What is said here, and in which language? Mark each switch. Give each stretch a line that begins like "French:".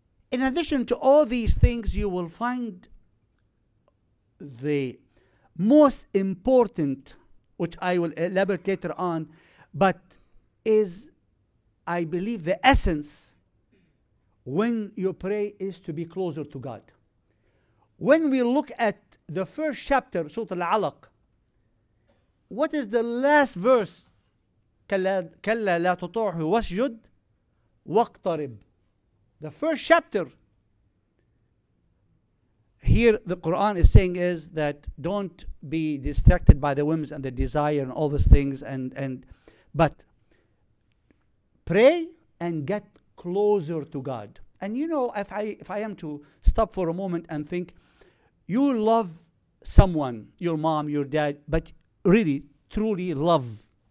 English: In addition to all these things, you will find the most important, which I will elaborate later on, but is, I believe, the essence when you pray is to be closer to God. When we look at the first chapter, Surah Al-Alaq, what is the last verse?
Arabic: كلا لا تطعه واسجد واقترب.
English: The first chapter. Here the Quran is saying is that don't be distracted by the whims and the desire and all those things. But pray and get closer to God. And you know, if I am to stop for a moment and think, you love someone, your mom, your dad, but really, truly love.